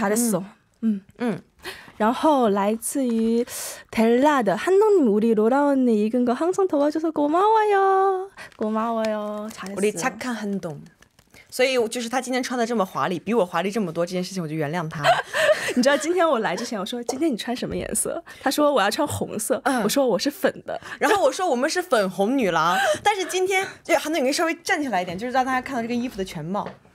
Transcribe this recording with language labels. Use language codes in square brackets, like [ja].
[zh] 甚至于我平常台本就是拿在这里，我刚刚台本拿到了这里，我就生怕自己看不清，然后我就是越看越有点看不清了。没关系，没关系，查得熟。嗯嗯，然后来自于 [ko] Della 的 Handong 님 우리 로라 언니 읽은 거 항상 도와줘서 고마워요, 고마워요. 잘했어. 우리 착한 Handong. [zh] 所以就是他今天穿的这么华丽，比我华丽这么多，这件事情我就原谅他。你知道今天我来之前我说今天你穿什么颜色，他说我要穿红色，我说我是粉的，然后我说我们是粉红女郎，但是今天就韩总你稍微站起来一点，就是让大家看到这个衣服的全貌。